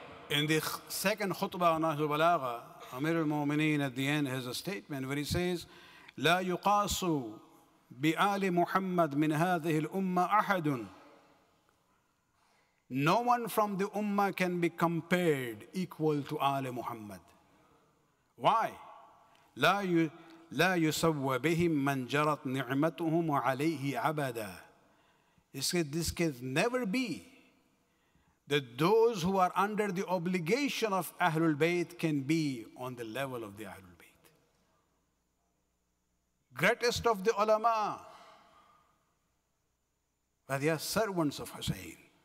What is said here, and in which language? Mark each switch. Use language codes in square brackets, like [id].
[en] In the second khutbah on Nahjul Balagha, Amir al-Mu'mineen at the end has a statement where he says, [ar] لا يقاس بآل محمد من هذه الأمة أحد. [en] No one from the Ummah can be compared equal to آل محمد. Why? [ar] لا يسوى بهم من جرت نعمتهم وعليه عبدا. [en] He said, this can never be that those who are under the obligation of Ahlul Bayt can be on the level of the Ahlul Bayt. Greatest of the ulama, but they are servants of Hussein.